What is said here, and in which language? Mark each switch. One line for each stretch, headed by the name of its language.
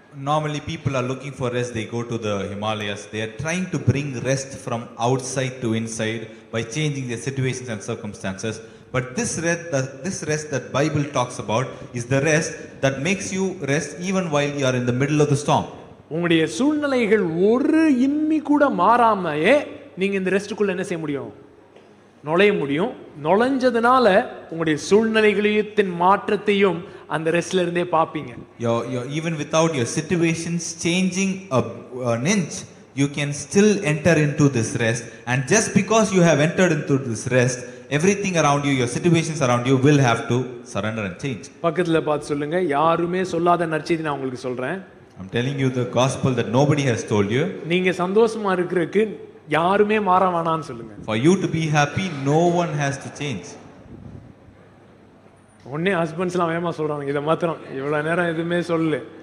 English: Normally people are looking for rest, they go to the Himalayas, they are trying to bring rest from outside to inside by changing their situations and circumstances. But this rest that Bible talks about is the rest that makes you rest even while you are in the middle of the storm.
Tamil: உங்களுடைய சூழ்நிலைகள் ஒரு இம்மி கூட மாறாமையே நீங்க இந்த ரெஸ்ட்க்குள்ள என்ன செய்ய முடியும், நுழைய முடியும். நுழைஞ்சதுனால உங்களுடைய சூழ்நிலைகளையும் மாற்றத்தையும் அந்த ரெஸ்ட்ல இருந்தே பார்ப்பீங்க.
English: Even without your situations changing an inch, you can still enter into this rest. And just because you have entered into this rest, everything around you, your situations around you will have to surrender and change.
Tamil: பக்கத்துல பார்த்து சொல்லுங்க, யாருமே சொல்லாத நற்செய்தி நான் உங்களுக்கு சொல்றேன்.
English: I'm telling you the gospel that nobody has told you.
Tamil: நீங்க சந்தோஷமா இருக்கிறதுக்கு யாருமே மாற வேணாம்னு சொல்லுங்க.
English: For you to be happy, no one has to change.
Tamil: ஒன்னே ஹஸ்பண்ட்ஸ்லாம் வேகமாக சொல்கிறாங்க, இதை மாத்திரம் இவ்வளோ நேரம் எதுவுமே சொல்லு.